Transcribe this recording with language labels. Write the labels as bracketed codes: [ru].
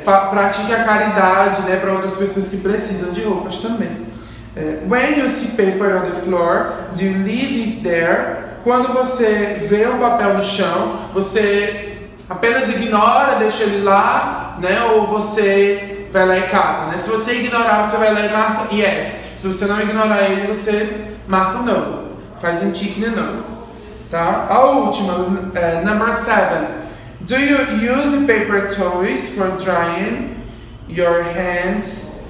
[pt] Pratique a caridade, né, para outras pessoas que precisam de roupas também. [en] When you see paper on the floor, do you leave it there? [pt] Quando você vê um papel no chão, você apenas ignora, deixa ele lá, né? Ou você vai lá e capa, né? Se você ignorar, você vai lá e marca yes. Se você não ignorar ele, você marca o no. Faz um tick no no. Tá? A última, [en] number 7. Do you use paper towels for drying your hands?